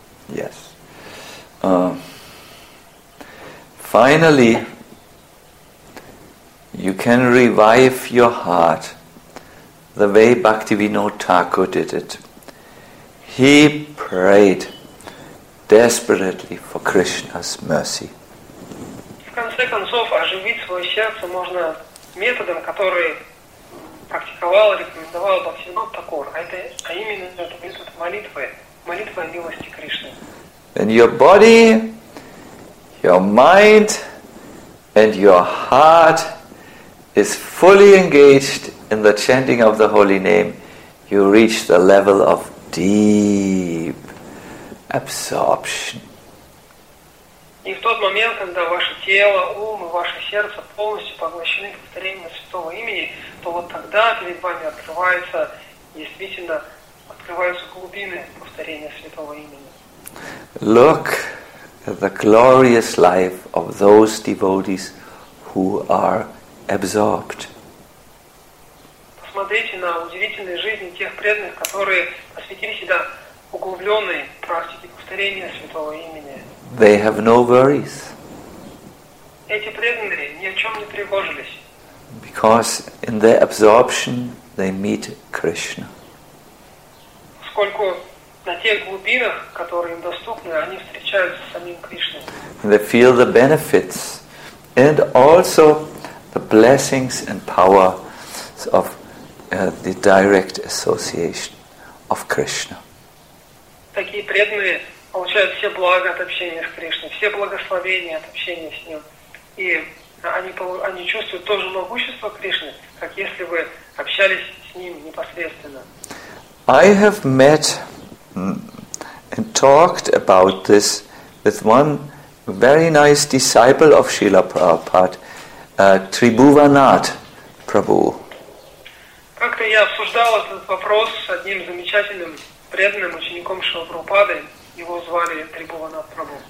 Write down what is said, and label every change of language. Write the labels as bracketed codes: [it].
[en] Yes. Finally, you can revive your heart the way Bhaktivinoda Thakur did it. He prayed desperately for Krishna's mercy. [ru] В конце концов, оживить свое сердце можно методом, который практиковал, рекомендовал Бхактивинода Такур, а именно это метод молитвы, молитва о милости Кришны. [en] And your body, your mind, and your heart is fully engaged in the chanting of the holy name, you reach the level of deep absorption. [ru] И в тот момент, когда ваше тело, ум и ваше сердце полностью поглощены повторением святого имени, то вот тогда перед вами открывается, действительно, открываются глубины повторения святого имени. [en] Look at the glorious life of those devotees who are absorbed. [ru] Посмотрите на удивительные жизни тех преданных, которые посвятили себя углубленной практике повторения святого имени. [en] They have no worries. [ru] Эти преданные ни о чем не тревожились. [en] Because in their absorption they meet Krishna. [ru] Поскольку на тех глубинах, которые им доступны, они встречаются с самим Кришной. [en] They feel the benefits and also the blessings and power of the direct association of Krishna. [ru] Такие преданные получают все блага от общения с Кришной, все благословения от общения с Ним. И они чувствуют то же могущество Кришны, как если бы общались с Ним непосредственно. [en] I have met and talked about this with one very nice disciple of Srila Prabhupada, Tribhuvanath Prabhu. [ru] Как-то я обсуждал этот вопрос с одним замечательным преданным учеником Шрила Прабхупады, его звали Трибхуванат Прабху.